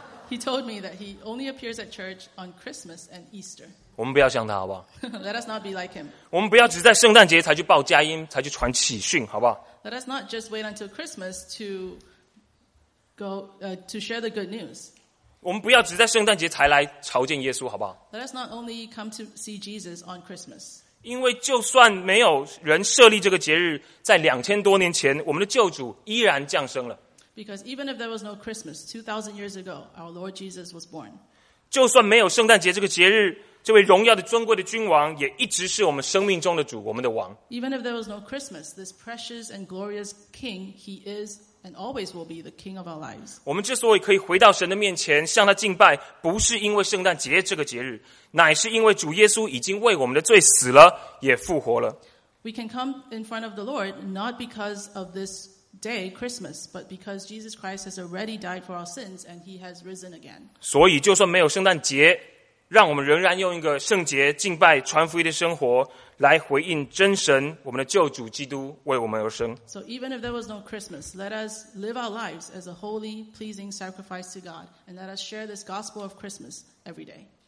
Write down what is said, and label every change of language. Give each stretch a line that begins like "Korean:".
English: He told me that he only appears at church on Christmas and Easter.
Chinese: 我们不要像他，好不好
English: ？Let us not be like him.
Chinese: 我们不要只在圣诞节才去报佳音，才去传喜讯，好不好
English: ？Let us not just wait until Christmas to go to share the good news.
Chinese: 我们不要只在圣诞节才来朝见耶稣，好不好
English: ？Let us not only come to see Jesus on Christmas.
Chinese: 因为就算没有人设立这个节日，在2000多年前，我们的救主依然降生了。
English: Because even if there was no Christmas 2,000 years ago, our Lord Jesus was born.
Chinese: 就算没有圣诞节这个节日，这位荣耀的尊贵的君王也一直是我们生命中的主，我们的王。
English: Even if there was no Christmas, this precious and glorious King, He is and always will be the King of our lives.
Chinese: 我们之所以可以回到神的面前向他敬拜，不是因为圣诞节这个节日，乃是因为主耶稣已经为我们的罪死了，也复活了。
English: We can come in front of the Lord not because of this day, Christmas, but because Jesus Christ has already died for our sins and He has risen again.
Chinese: 所以就算没有圣诞节，让我们仍然用一个圣洁、敬拜、传福音的生活来回应真神，我们的救主基督为我们而生。
English: So even if there was no Christmas, let us live our lives as a holy, pleasing sacrifice to God, and let us share this gospel of Christmas every day.